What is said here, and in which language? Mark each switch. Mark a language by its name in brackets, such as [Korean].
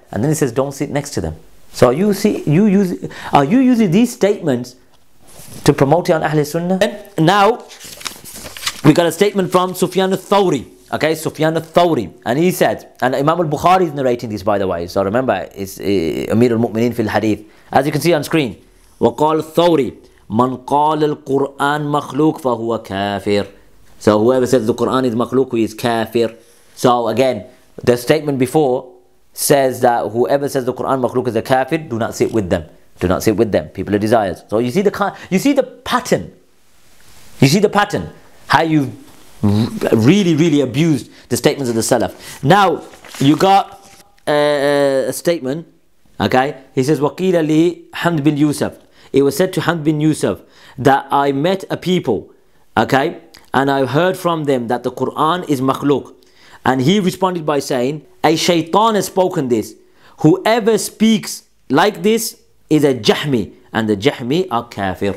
[English] And then he says, don't sit next to them. So are you using these statements to promote it on Ahl Sunnah? And now, we got a statement from Sufyan al-Thawri. Okay, Sufyan al-Thawri. And he said, and Imam al-Bukhari is narrating this, by the way. So remember, it's Amir al-Mu'mineen fil Hadith. As you can see on screen, [Arabic] وقال الثوري من قال القرآن مخلوق فهو كافر. [English] So whoever says the Quran is مخلوق, he is كافر. So again, the statement before says that whoever says the Quran مخلوق is a كافر, do not sit with them. Do not sit with them. People are desires. So you see the pattern. You see the pattern. How you really, really abused the statements of the Salaf. Now, you got a statement. Okay, he says [Arabic] وقيل لي حمد بن يوسف. [English] It was said to Hamd bin Yusuf that I met a people, okay, and I heard from them that the Quran is makhluk. And he responded by saying, a shaitan has spoken this. Whoever speaks like this is a jahmi, and the jahmi are kafir.